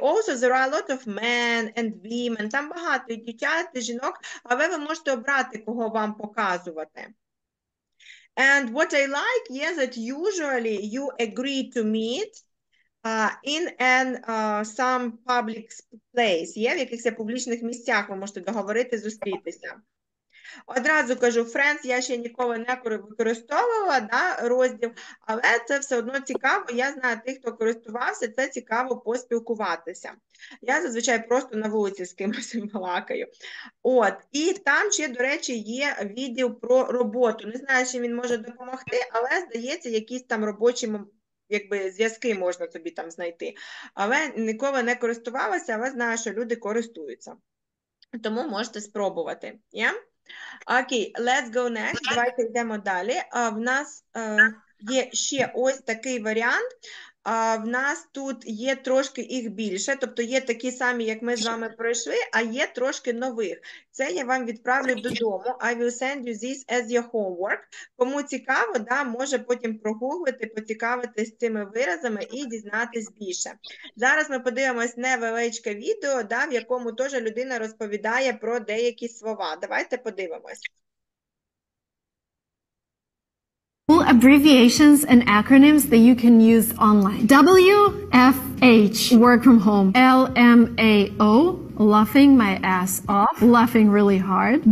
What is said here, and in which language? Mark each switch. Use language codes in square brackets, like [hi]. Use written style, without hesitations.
[en] Also, there are a lot of men and women. [uk] Там багато і дівчат, і жінок, але ви можете обрати, кого вам показувати. [en] And what I like is that usually you agree to meet in an some public place. [uk] Є в якихось публічних місцях, ви можете договорити, зустрітися. Одразу кажу, Friends я ще ніколи не використовувала, да, розділ, але це все одно цікаво. Я знаю тих, хто користувався, це цікаво поспілкуватися. Я зазвичай просто на вулиці з кимось балакаю. От, і там ще, до речі, є відділ про роботу. Не знаю, чи він може допомогти, але, здається, якісь там робочі якби зв'язки можна собі там знайти. Але ніколи не користувалася, але знаю, що люди користуються. Тому можете спробувати. [en] Yeah? Okay, let's go next. [uk] Давайте йдемо далі. В нас є ще ось такий варіант. В нас тут є трошки їх більше, тобто є такі самі, як ми з вами пройшли, а є трошки нових. Це я вам відправлю додому. [en] I will send you this as your homework. [uk] Кому цікаво, да, може потім прогуглити, поцікавитись цими виразами і дізнатись більше. Зараз ми подивимось невеличке відео, да, в якому теж людина розповідає про деякі слова. Давайте подивимось. [en] Abbreviations and acronyms that you can use online. WFH, work from home. LMAO, laughing my ass off, laughing really hard.